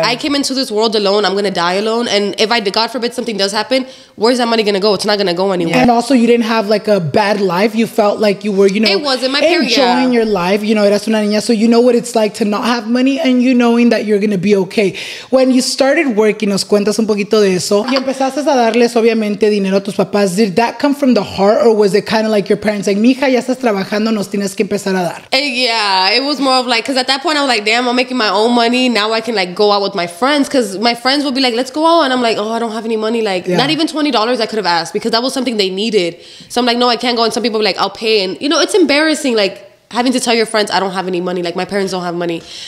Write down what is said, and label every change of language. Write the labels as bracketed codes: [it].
[en] Like, I came into this world alone. I'm going to die alone. And if I, God forbid, something does happen, where's that money going to go? It's not going to go anywhere. And also, you didn't have, like, a bad life. You felt like you were, you know, it wasn't my enjoying period, yeah. your life. You know, [es] eras una niña. [en] So you know what it's like to not have money and you knowing that you're going to be okay. When you started working, [es] nos cuentas un poquito de eso. Y empezaste a darles, obviamente, dinero a tus papás. [en] Did that come from the heart or was it kind of like your parents? [es] Like, mija, ya estás trabajando, nos tienes que empezar a dar. [en] Yeah. It was more of like, because at that point I was like, damn, I'm making my own money. Now I can like go out with my friends, because my friends would be like, let's go out. And I'm like, oh, I don't have any money. Like, not even $20 I could have asked, because that was something they needed. So I'm like, no, I can't go. And some people were like, I'll pay. And, you know, it's embarrassing, like, having to tell your friends I don't have any money. Like, my parents don't have money.